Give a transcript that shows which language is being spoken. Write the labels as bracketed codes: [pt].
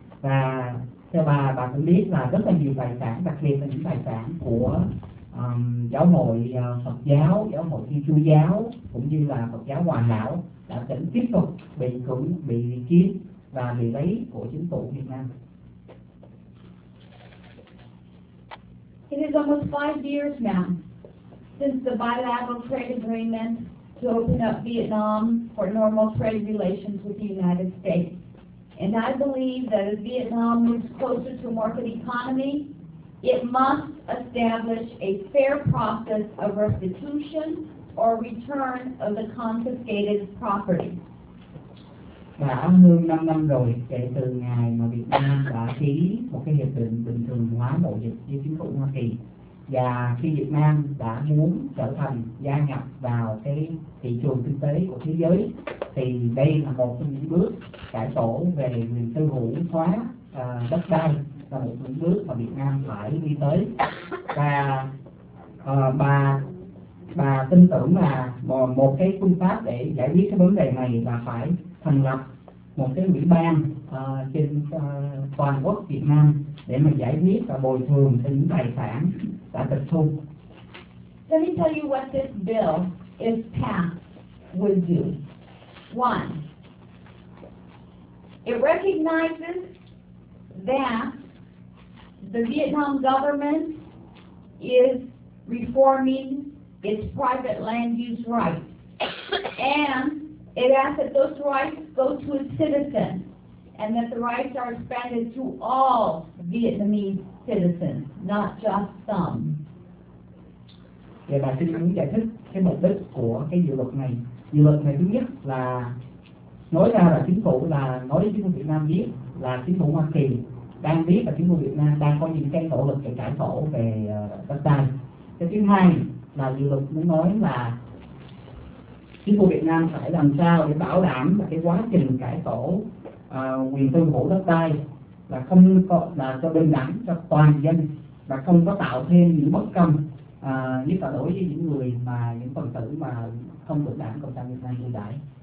[vi] Và theo bà cũng biết là rất là nhiều tài sản, đặc biệt là những tài sản của giáo hội Phật giáo, giáo hội Thiên Chúa giáo cũng như là Phật giáo Hòa Hảo đã tỉnh tiếp tục bị chiếm và bị lấy của chính phủ Việt Nam. [en] It is almost 5 years now since the bilateral trade agreement to open up Vietnam for normal trade relations with the United States. And I believe that as Vietnam moves closer to a market economy, it must establish a fair process of restitution or return of the confiscated property. [vi] Đã hơn 5 năm rồi kể từ ngày mà Việt Nam đã ký một cái hiệp định bình thường hóa mậu dịch với chính phủ Hoa Kỳ. Và khi Việt Nam đã muốn trở thành gia nhập vào cái thị trường kinh tế của thế giới thì đây là một trong những bước cải tổ về quyền tư hữu hóa đất đai, là một những bước mà Việt Nam phải đi tới. Và bà tin tưởng là một cái phương pháp để giải quyết cái vấn đề này là phải thành lập một cái ủy ban trên toàn quốc Việt Nam để mình giải quyết và bồi thường cho những tài sản đã tịch thu. [en] Let me tell you what this bill is passed will do. One, it recognizes that the Vietnam government is reforming its private land use rights and it asks that those rights go to its citizens and that the rights are expanded to all Vietnamese citizens, not just some. [vi] Và bà xin muốn giải thích cái mục đích của cái dự luật này. Dự luật này thứ nhất là nói ra là chính phủ là nói với chính phủ Việt Nam biết là chính phủ Hoa Kỳ đang biết là chính phủ Việt Nam đang có những cái nỗ lực để cải tổ về đất đai. Cái thứ hai là dự luật muốn nói là chính phủ Việt Nam phải làm sao để bảo đảm là cái quá trình cải tổ quyền tư hữu đất đai là không có, là cho bình đẳng cho toàn dân và không có tạo thêm những bất công như là đối với những người mà những phần tử mà không được đảng cộng sản Việt Nam ưu đãi.